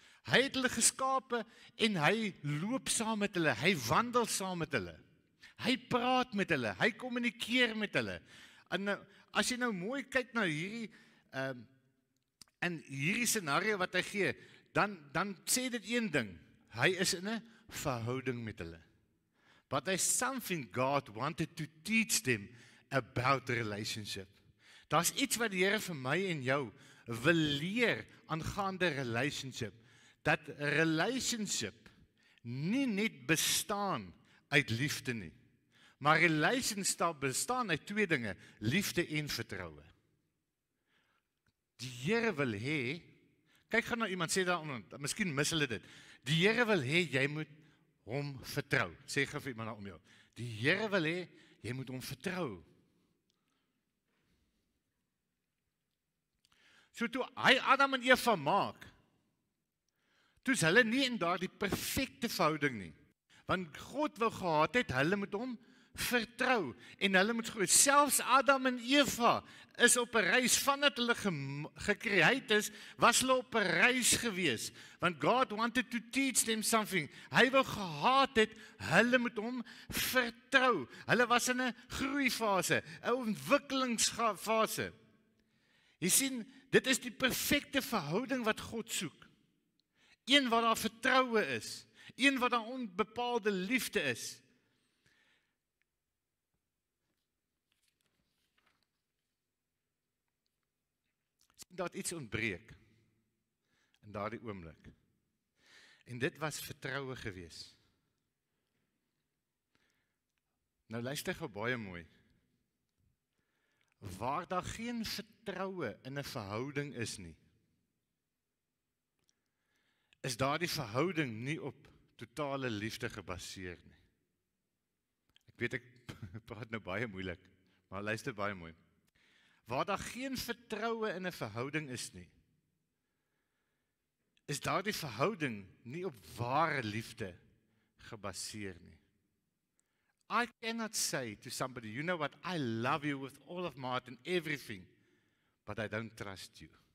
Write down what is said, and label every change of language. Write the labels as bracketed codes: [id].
[af] Hy het hulle geskape en hy loop saam met hulle, hy wandel saam met hulle, hy praat met hulle, hy communikeer met hulle. En nou, as jy nou mooi kyk na hierdie, en hierdie scenario wat hy gee, dan sê dit een ding, hy is in 'n verhouding met hulle. [en] But there's something God wanted to teach them about the relationship. [af] Daar's iets wat die Here vir my en jou wil leer aangaande relationship. Dat relationship nie net bestaan uit liefde nie. Maar relationship bestaan uit twee dinge, liefde en vertrouwen. Die Here wil hê, kyk gaan nou iemand sê daaronder, miskien mis hulle dit. Die Here wil hê jy moet hom vertrou. Sê gif iemand daar om jou. Die Here wil hê jy moet hom vertrou. So toe hy Adam en Eva maak, toe is hulle nie in daardie perfekte verhouding nie. Want God wil gehad het, hulle moet hom vertrou en hulle moet groei. Selfs Adam en Eva is op een reis, vandat hulle gecreëerd is, was hulle op een reis geweest. Want [en] God wanted to teach them something. [af] Hy wil gehad het, hulle moet hom vertrou. Hulle was in een groeifase, een ontwikkelingsfase. Jy sien, dit is die perfecte verhouding wat God soek. Een wat daar vertrouwen is, een wat daar onbepaalde liefde is. Dat iets ontbreek in daar die oomblik. En dit was vertrouwen geweest. Nou luister gou baie mooi. Waar daar geen vertrouwen in een verhouding is nie, is daar die verhouding nie op totale liefde gebaseerd nie. Ek weet, ek praat nou baie moeilik, maar luister baie mooi. Waar daar geen vertrouwen in een verhouding is nie, is daar die verhouding nie op ware liefde gebaseerd nie. [en] I cannot say to somebody, you know what, I love you with all of my heart and everything, but I don't trust you.